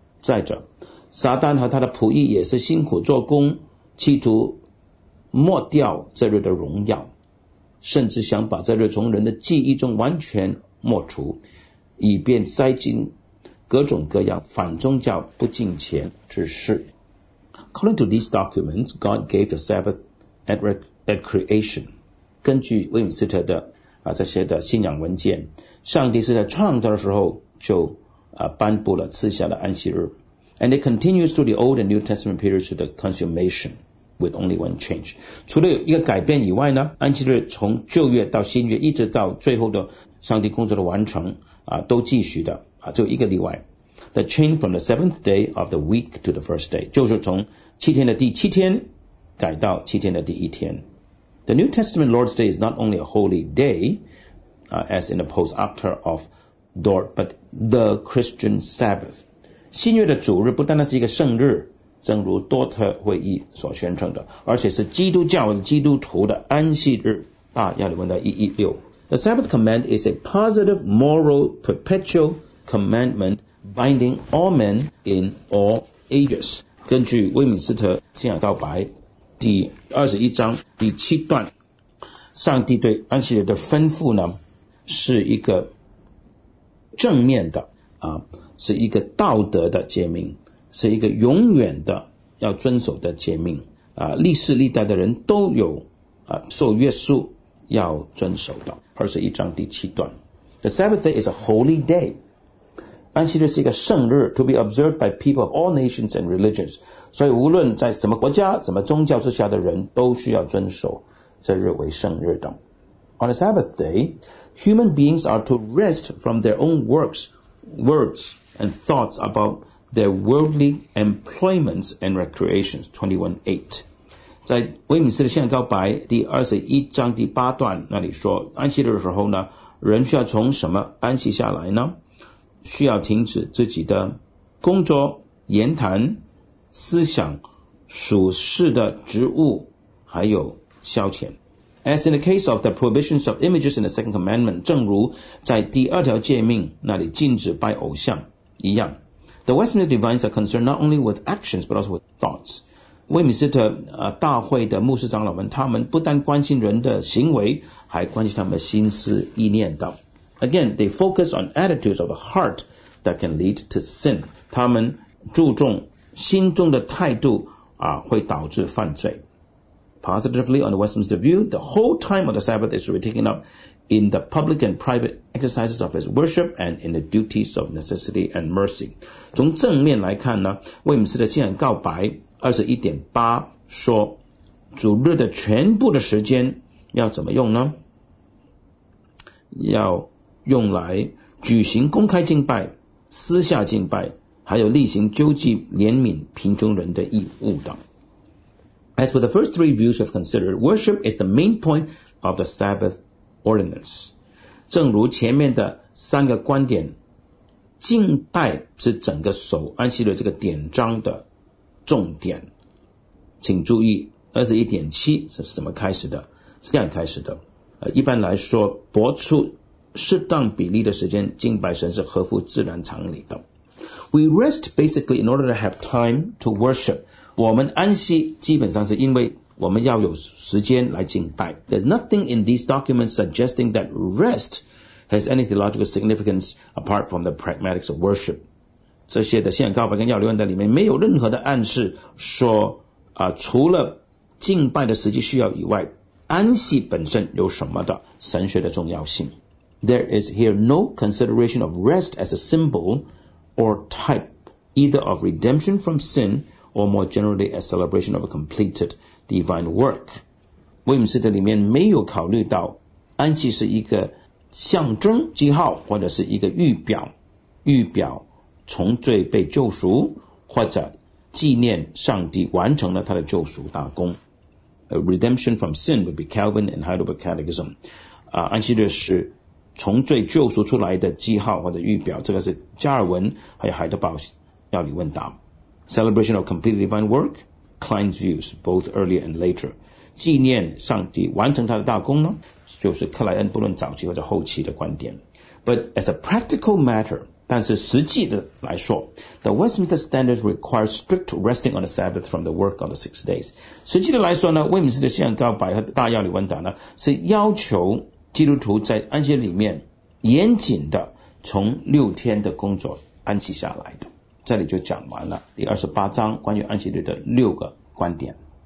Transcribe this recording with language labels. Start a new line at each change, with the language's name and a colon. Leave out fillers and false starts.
Chinese: 再者，撒旦和他的仆役也是辛苦做工，企图抹掉这日的荣耀，甚至想把这日从人的记忆中完全抹除，以便塞进各种各样反宗教不敬虔之事。
English: According to these documents, God gave the Sabbath at creation.
Chinese: 根据威敏斯特的这些的信仰文件，上帝是在创造的时候就颁布了赐下的安息日。
English: And it continues through the Old and New Testament periods to the consummation with only one change.
Chinese: 除了有一个改变以外呢，安息日从旧约到新约一直到最后的上帝工作的完成都继续的就一个例外。
English: The change from the seventh day of the week to the first day,
Chinese: 就是从七天的第七天改到七天的第一天。
English: The New Testament Lord's Day is not only a holy day, as in the post-after of door, but the Christian Sabbath.
Chinese: 新约的主日不单单是一个圣日，正如多特会议所宣称的，而且是基督教的基督徒的安息日。大亚历文大116。
English: The Sabbath command is a positive moral perpetual commandment binding all men in all ages.
Chinese: 根据威敏斯特信仰告白第21章第7段，上帝对安息日的吩咐呢，是一个正面的啊，是一个道德的诫命，是一个永远的要遵守的诫命啊，历世历代的人都有啊受约束要遵守的。 21章第7段
English: ，The Sabbath day is a holy day.
Chinese: 安息日是一个圣日
English: ，to be observed by people of all nations and religions.
Chinese: 所以无论在什么国家、什么宗教之下的人都需要遵守这日为圣日的。
English: On the Sabbath day, human beings are to rest from their own works, words, and thoughts about their worldly employments and recreations. 21:8.
Chinese: 在威敏斯的信仰告白第21章第8段那里说，安息日的时候呢，人需要从什么安息下来呢？需要停止自己的工作、言谈、思想、属世的职务，还有消遣。
English: As in the case of the prohibitions of images in the second commandment,
Chinese: 正如在第二条诫命那里禁止拜偶像一样。
English: The Westminster Divines are concerned not only with actions, but also with thoughts.
Chinese: 威敏斯特大会的牧师长老们，他们不但关心人的行为，还关心他们的心思意念的。
English: Again, they focus on attitudes of the heart that can lead to sin.
Chinese: 他们注重心中的态度啊，会导致犯罪。
English: Positively, on the Westminster view, the whole time of the Sabbath is to be taken up in the public and private exercises of his worship and in the duties of necessity and mercy.
Chinese: 从正面来看呢，威姆斯的信仰告白 21.8 说，主日的全部的时间要怎么用呢？要用来举行公开敬拜、私下敬拜，还有例行救济怜悯贫穷人的义务等。
English: As for the first three views we've considered, worship is the main point of the Sabbath ordinance.
Chinese: 正如前面的三个观点，敬拜是整个守安息日这个典章的重点。请注意 ,21.7 是怎么开始的，是这样开始的。一般来说，拨出适当比例的时间敬拜神是合乎自然常理的。
English: We rest basically in order to have time to worship.
Chinese: 我们安息基本上是因为我们要有时间来敬拜。
English: There's nothing in these documents suggesting that rest has any theological significance apart from the pragmatics of worship.
Chinese: 这些的信仰告白跟要留言的里面没有任何的暗示说啊，除了敬拜的实际需要以外，安息本身有什么的神学的重要性。
English: There is here no consideration of rest as a symbol or type either of redemption from sin,or more generally a celebration of a completed divine work.
Chinese: 威姆斯特里面没有考虑到安息是一个象征记号或者是一个预表，预表从罪被救赎或者纪念上帝完成了他的救赎大功。
English: Redemption from sin would be Calvin and Heidelberg Catechism.
Chinese: 安息日是从罪救赎出来的记号或者预表，这个是加尔文还有海德堡要理问答。
English: Celebration of completed divine work, Klein's views, both earlier and later.
Chinese: 纪念上帝完成他的大功呢，就是克莱恩不论早期或者后期的观点。
English: But as a practical matter,
Chinese: 但是实际的来说
English: ,the Westminster standard requires strict resting on the Sabbath from the work on the six days.
Chinese: 实际的来说呢，威敏斯的信仰告白和大要理问答呢，是要求基督徒在安息里面严谨的从六天的工作安息下来的。这里就讲完了第28章关于安息日的六个观点。